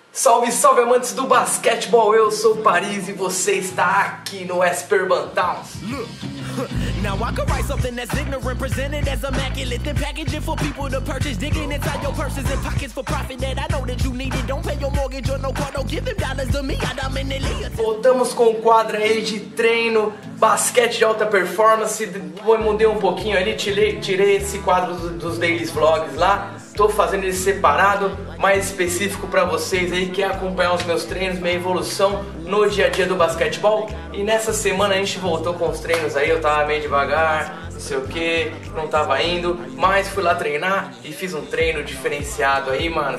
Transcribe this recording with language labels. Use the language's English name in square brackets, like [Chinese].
[Portuguese] Salve, salve amantes do basquetebol, eu sou o Paris e você está aqui no Esperban Towns. [English] Now I could write something that's ignorant, presented as immaculate, then package it for people to purchase, digging inside your purses and pockets for profit that I know that you need it. Don't pay your mortgage or no car, don't give them dollars to me, I'm in the. [Portuguese] Voltamos com o quadro aí de treino, basquete de alta performance. Mudei um pouquinho ali, tirei esse quadro dos daily vlogs lá. Tô fazendo ele separado, mais específico para vocês aí que acompanhar os meus treinos, minha evolução no dia a dia do basquetebol. E nessa semana a gente voltou com os treinos aí, eu tava meio devagar, não sei o que, não tava indo, mas fui lá treinar e fiz um treino diferenciado aí, mano.